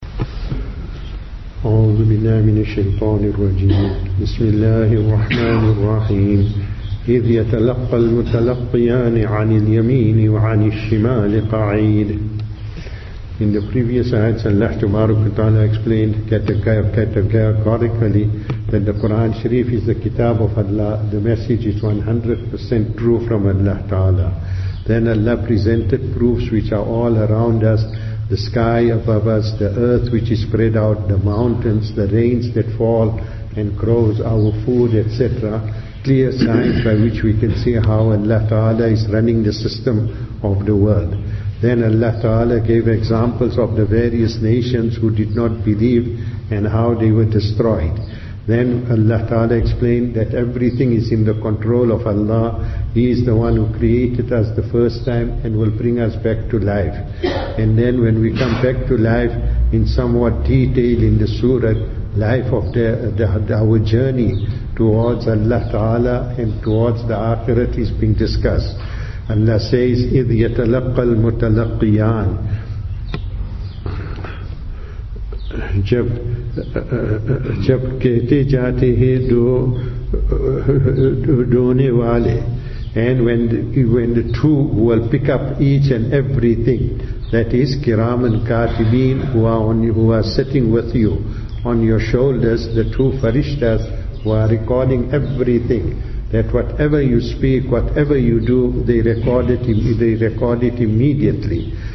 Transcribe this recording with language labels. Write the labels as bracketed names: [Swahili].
[Arabic] أعوذ بالله من الشيطان الرجيم. بسم الله الرحمن الرحيم. إذ يتلقى المتلقيان عن اليمين وعن الشمال قعيد. [English] In the previous ayats, Allah Ta'ala explained categorically that the Quran Sharif is the Kitab of Allah. The message is 100% true from Allah Ta'ala. Then Allah presented proofs which are all around us, the sky above us, the earth which is spread out, the mountains, the rains that fall and grows our food, etc. Clear signs by which we can see how Allah Ta'ala is running the system of the world. Then Allah Ta'ala gave examples of the various nations who did not believe and how they were destroyed. Then Allah Ta'ala explained that everything is in the control of Allah. He is the one who created us the first time and will bring us back to life. And then when we come back to life, in somewhat detail in the surah, life of our journey towards Allah Ta'ala and towards the akhirat is being discussed. Allah says, [Arabic] إِذْ يَتَلَقَّ الْمُتَلَقِّيَانَ. [Urdu] جب کہتے جاتے ہیں دونے والے. [English] And when the two will pick up each and everything, that is kiram and katibin, who are sitting with you on your shoulders, the two farishtas who are recording everything, that whatever you speak, whatever you do, they record it immediately.